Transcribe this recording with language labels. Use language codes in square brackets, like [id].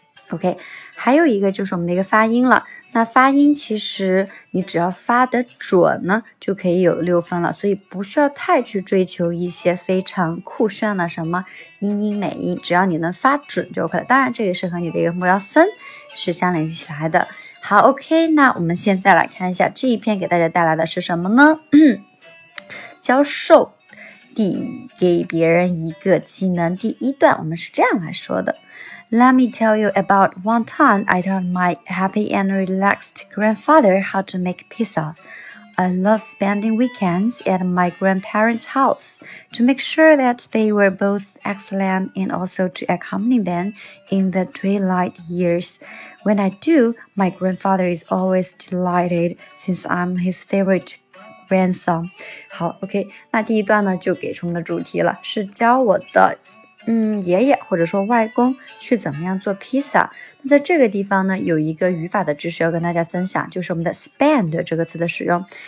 [zh] OK, 还有一个就是我们的一个发音了。那发音其实你只要发得准呢就可以有6分了，所以不需要太去追求一些非常酷炫的什么音音美音，只要你能发准就 OK 了。当然这也是和你的一个目标分是相联系起来的。好， OK, 那我们现在来看一下这一篇给大家带来的是什么呢。教授递给别人一个技能，第一段我们是这样来说的。 [en] Let me tell you about one time I taught my happy and relaxed grandfather how to make pizza. I loved spending weekends at my grandparents' house to make sure that they were both excellent and also to accompany them in the twilight years. When I do, my grandfather is always delighted since I'm his favorite grandson. [zh] 好 ,OK, 那第一段呢就给出我们的主题了，是教我的爷爷或者说外公去怎么样做披萨。那在这个地方呢有一个语法的知识要跟大家分享，就是我们的 spend 这个词的使用。